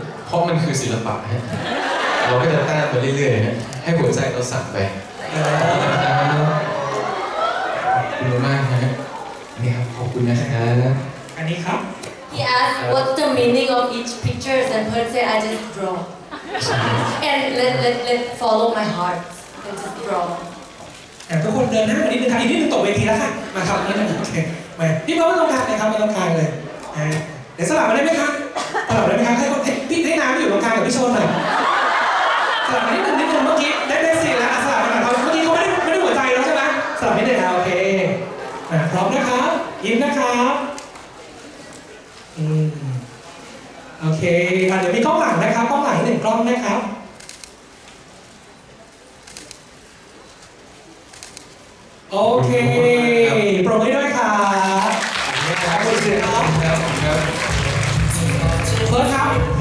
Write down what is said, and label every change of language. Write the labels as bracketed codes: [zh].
[th] พราะมันคือศิลปะฮะเราก็จะต้านไปเรื่อยๆฮะให้หัวใจเราสั่งไปขอบคุณมากฮะนี่ครับขอบคุณนะครับ อัน นี้ ครับ [en] He asked what's the meaning of each picture and her say I just draw and let follow my heart and just draw [th] แต่ทุกคนเดินหน้าไปนิดนึงครับอีกนิดนึงตกเวทีแล้วค่ะมาครับนี่มันโอเคแหมพี่เพิ่มไม่ต้องการนะครับไม่ต้องการเลยเดี๋ยวสลับมาได้ไหมครับสลับได้ไหมครับให้พี่ได้น้ำที่อยู่ตรงกลางกับพี่ชนหน่อย สลับมานิดนึงนิดนึงเมื่อกี้ได้ได้สิแล้วสลับมาครับเมื่อกี้เขาไม่ได้หัวใจแล้วใช่ไหมสลับนิดเดียวโอเคพร้อมนะครับยิ้มนะครับโอเคเดี๋ยวมีกล้องหลังนะครับกล้องหลังหนึ่งกล้องนะครับโอเคปรบมือด้วยค่ะขอบคุณครับครับครับเพิร์ทครับ